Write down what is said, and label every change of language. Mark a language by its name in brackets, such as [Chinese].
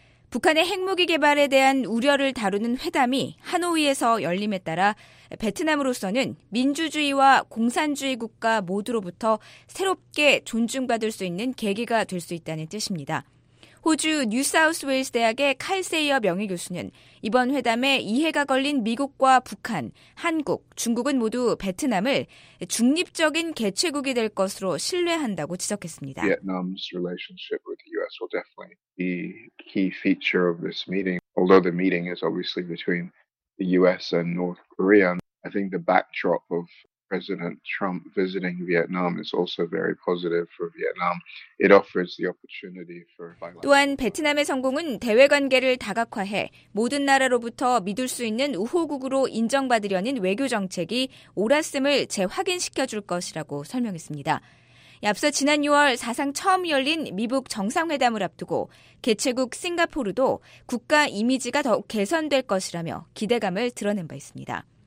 [Korean] 북한의 핵무기 개발에 대한 우려를 다루는 회담이 하노이에서 열림에 따라 베트남으로서는 민주주의와 공산주의 국가 모두로부터 새롭게 존중받을 수 있는 계기가 될 수 있다는 뜻입니다. 호주 뉴사우스웨일스 대학의 칼 세이어 명예 교수는 이번 회담에 이해가 걸린 미국과 북한, 한국, 중국은 모두 베트남을 중립적인 개최국이 될 것으로 신뢰한다고 지적했습니다. [English] Vietnam's relationship with the U.S. will definitely be key feature of this meeting. Although the meeting is obviously between the U.S. and North Korea, I think the backdrop of President Trump visiting Vietnam is also very positive for Vietnam. It offers the opportunity for. [Korean] 또한 베트남의 성공은 대외 관계를 다각화해 모든 나라로부터 믿을 수 있는 우호국으로 인정받으려는 외교 정책이 옳았음을 재확인시켜 줄 것이라고 설명했습니다. 앞서 지난 6월 사상 처음 열린 미북 정상회담을 앞두고 개최국 싱가포르도 국가 이미지가 더욱 개선될 것이라며 기대감을 드러낸 바 있습니다.